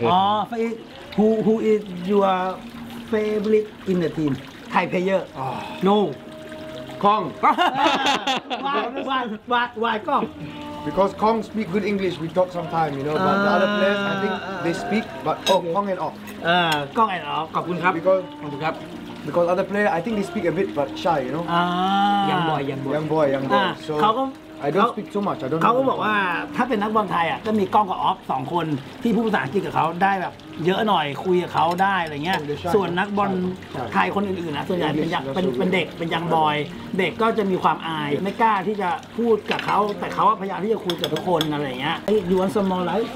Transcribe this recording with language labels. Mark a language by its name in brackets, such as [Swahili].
[Thai] อ๋อพระอีก [English] who is your favorite in the team Thai player no Kong why Kong because Kong speak good English we talk sometime you know but the other players I think they speak but oh okay. Kong and Ok [Thai] Kong and Ok ขอบคุณครับขอบคุณครับ [English] Because other player, I think they speak a bit, but shy, you know. Young boy, young boy. Young boy, young boy. So. [Thai] เขาก็ [English] I don't speak too much. I don't know. [Thai] เขาก็บอกว่าถ้าเป็นนักบอลไทยอ่ะก็มีกล้องกับออฟ2คนที่พูดภาษาอังกฤษกับเขาได้แบบเยอะหน่อยคุยกับเขาได้อะไรเงี้ยส่วนนักบอลไทยคนอื่นๆนะส่วนใหญ่เป็นเด็กเป็นยังบอยเด็กก็จะมีความอายไม่กล้าที่จะพูดกับเขาแต่เขาพยายามที่จะคุยกับทุกคนอะไรเงี้ยไอ้ [English] you want some more life